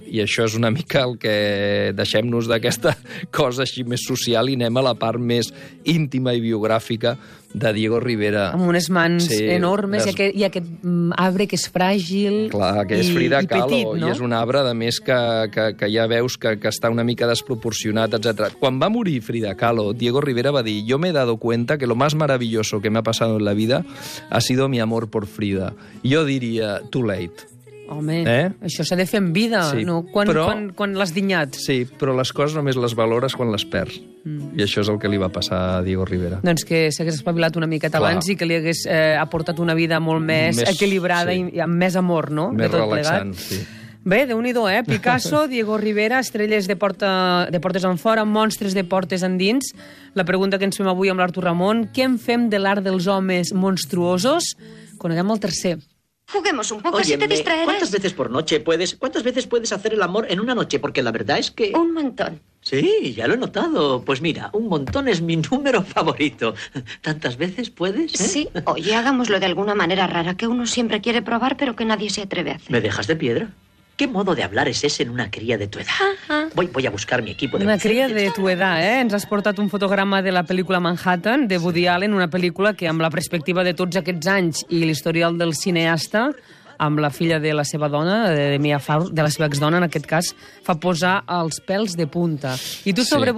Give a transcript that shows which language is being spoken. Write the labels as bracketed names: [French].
[Catalan] I això és una mica el que deixem-nos d'aquesta cosa així més social i anem a la part més íntima i biogràfica de Diego Rivera. Amb unes mans enormes i aquest arbre que és fràgil. Clar, que és Frida Kahlo. No? I és un arbre, a més, que ja veus que està una mica desproporcionat, etc. Quan va morir Frida Kahlo, Diego Rivera va dir, [Spanish] yo me he dado cuenta que lo más maravilloso que me ha pasado en la vida ha sido mi amor por Frida. [Catalan] Yo diria, [English] too late. [Catalan] Home, això s'ha de fer en vida, sí, no? Quan l'has dinyat. Sí, però les coses només les valores quan les perds. I això és el que li va passar a Diego Rivera. Doncs que s'hagués espavilat una mica abans i que li hagués aportat una vida molt més equilibrada, sí, i amb més amor, no? Més tot relaxant, plegat. Sí. Bé, déu-n'hi-do, Picasso, Diego Rivera, estrelles de portes en fora, monstres de portes en dins. La pregunta que ens fem avui amb l'Artur Ramon, què en fem de l'art dels homes monstruosos? Coneguem el tercer. [Spanish] Juguemos un poco, así te distraeré. ¿Cuántas veces por noche puedes? ¿Cuántas veces puedes hacer el amor en una noche? Porque la verdad es que... Un montón. Sí, ya lo he notado. Pues mira, un montón es mi número favorito. ¿Tantas veces puedes? ¿Eh? Sí, oye, hagámoslo de alguna manera rara, que uno siempre quiere probar, pero que nadie se atreve a hacer. ¿Me dejas de piedra? ¿Qué modo de hablar es ese en una cría de tu edad? Ajá. Voy a buscar mi equipo de... Una cría de tu edad, ¿eh? [Catalan] Ens has portat un fotograma de la pel·lícula Manhattan, de Woody Allen, una pel·lícula que, amb la perspectiva de tots aquests anys i l'historial del cineasta, amb la filla de la seva dona, de Mia Farrow, de la seva exdona, en aquest cas, fa posar els pèls de punta. I tu sobre, sí,